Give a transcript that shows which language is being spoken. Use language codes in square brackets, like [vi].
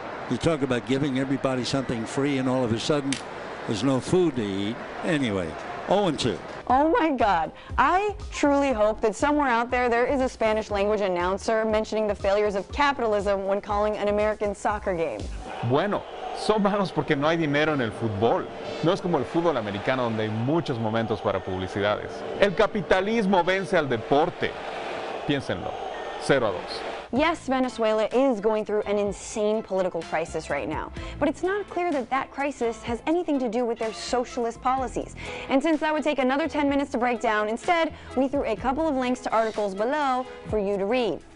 [en] You talk about giving everybody something free and all of a sudden there's no food to eat. Anyway, 0-2. Oh my God. I truly hope that somewhere out there there is a Spanish language announcer mentioning the failures of capitalism when calling an American soccer game. [es] Bueno, son malos porque no hay dinero en el fútbol. No es como el fútbol americano donde hay muchos momentos para publicidades. El capitalismo vence al deporte. Piénsenlo. 0-2. [en] Yes, Venezuela is going through an insane political crisis right now, but it's not clear that that crisis has anything to do with their socialist policies. And since that would take another 10 minutes to break down, instead, we threw a couple of links to articles below for you to read.